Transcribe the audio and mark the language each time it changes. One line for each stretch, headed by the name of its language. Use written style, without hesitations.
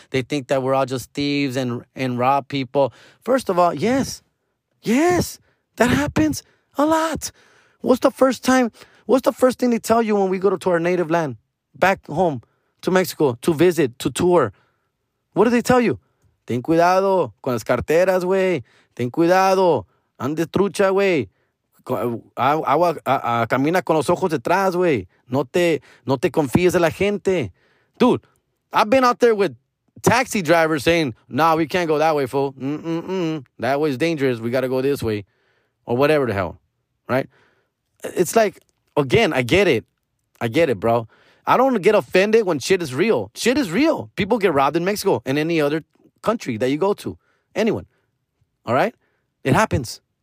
English: They think that we're all just thieves and rob people. First of all, yes. Yes. That happens a lot. What's the first thing they tell you when we go to our native land, back home, to Mexico, to visit, to tour? What do they tell you?
Spanish: Ten cuidado con las carteras, güey. Ten cuidado. Ande trucha, güey. Camina con los ojos detrás, güey. No te confíes de la gente.
English: Dude, I've been out there with taxi drivers saying, nah, we can't go that way, fool. Mm-mm-mm. That way's dangerous. We got to go this way. Or whatever the hell. Right? It's like, again, I get it, bro. I don't get offended when shit is real. Shit is real. People get robbed in Mexico and any other country that you go to. Anyone. All right? It happens.